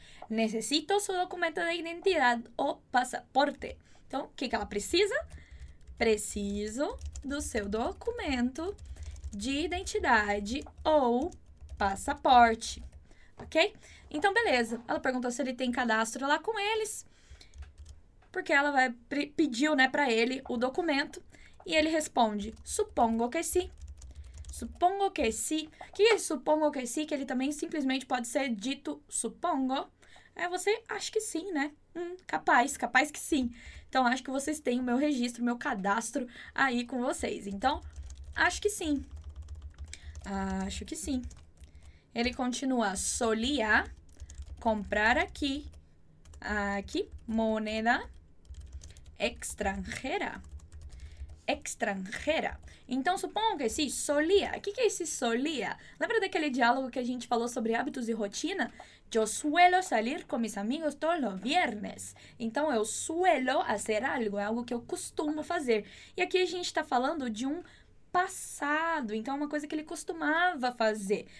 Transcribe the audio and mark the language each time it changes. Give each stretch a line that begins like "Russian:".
Spanish: Necesito su documento de identidad o passaporte.
Portuguese: Então, o que que ela precisa? Preciso do seu documento de identidade ou passaporte. Ok? Então, beleza. Ela perguntou se ele tem cadastro lá com eles, porque ela vai pediu, né, para ele o documento. E ele responde:
Spanish: supongo que
Portuguese: sim. Supongo que sim. Que é
Spanish: supongo que
Portuguese: sim? Que ele também simplesmente pode ser dito supongo. É, você acha que sim, né? Capaz que sim. Então, acho que vocês têm o meu registro, o meu cadastro aí com vocês. Então, acho que sim. Acho que sim. Ele continua:
Spanish: solía comprar aqui moneda extranjera.
Portuguese: Extranjera. Então, supongo que sim, solía. O que que é esse solía? Lembra daquele diálogo que a gente falou sobre hábitos e rotina?
Spanish: Yo suelo salir con mis amigos todos los viernes.
Portuguese: Então, eu
Spanish: suelo hacer algo,
Portuguese: é algo que eu costumo fazer. E aqui a gente está falando de um passado, então, uma coisa que ele costumava fazer.